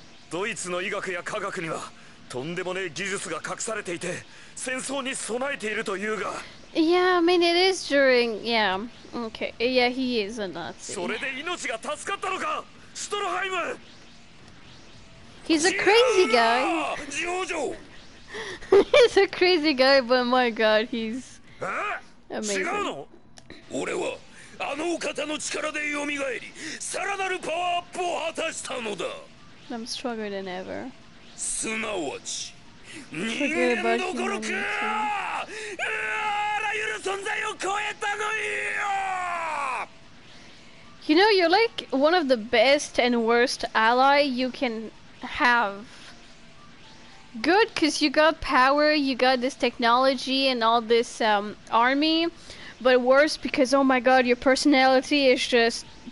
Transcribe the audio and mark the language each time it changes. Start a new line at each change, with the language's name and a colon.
Japanese: ドイツの医学や科学にはとんでもねえ技術が隠されていて戦争に備えているというが。
English: Yeah, I mean, it is during... Yeah, okay. Yeah, he is a Nazi.
Japanese: それで命が助かったのか、シュトロハイム。
English: He's a crazy guy.
Japanese: ジョジョ。
English: He's a crazy guy, but my god, he's amazing.
Japanese: 違うの？俺はあのお方の力で蘇り、さらなるパワーアップを果たしたのだ。
English: I'm stronger than ever.
Japanese: すなわち、人間どころか、あらゆる存在を超えたのよ！
English: You know, you're like one of the best and worst ally you can have. Good, because you got power, you got this technology and all this army, but worse because, oh my god, your personality is just...